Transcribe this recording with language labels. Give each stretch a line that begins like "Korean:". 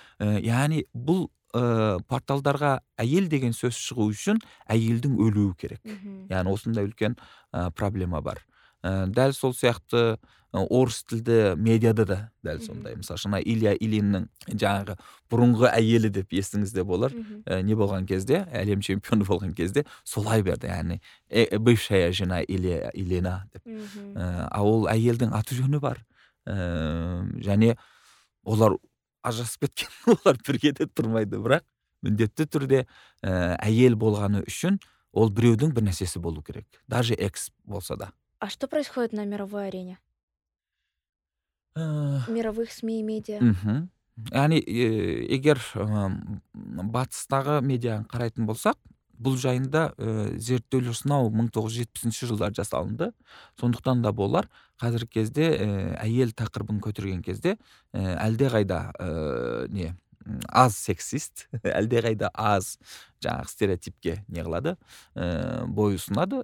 Kazakh: Яғни бұл порталдарға әйел деген сөз шығу үшін әйелдің өлуі керек. Яғни осындай үлкен проблема бар. Дәл сол сияқты орыс тілді медиада да дәл сондай. Мысалы шына Илья Илиннің жаңағы бұрынғы әйелі деп естіңізде болар. Не болған кезде, әлем чемпионы болған кезде солай берді. Яғни
Russian: бывшая жена
Kazakh: Илья Илина деп. Ол әйелдің аты жөні бар. Және олар ажырасып кеткен, олар бірге де тұрмайды. Бірақ міндетті түрде әйел болғаны үшін ол біреудің бір нәрсесі болу керек. Даже экс болса да.
Russian: А что происходит на мировой арене? Мировых СМИ и медиа?
Kazakh: Яғни, егер батыстағы медиа қарайтын болсақ, бұл жайында зерттеулер сынау 1970 жылдар жасалынды. Сондықтан да болар, қазір кезде әйел тақырбын көтірген кезде әлде ғайда не, аз сексист, әлде ғайда аз жаңағы стереотипке не қылады, бой ұсынады.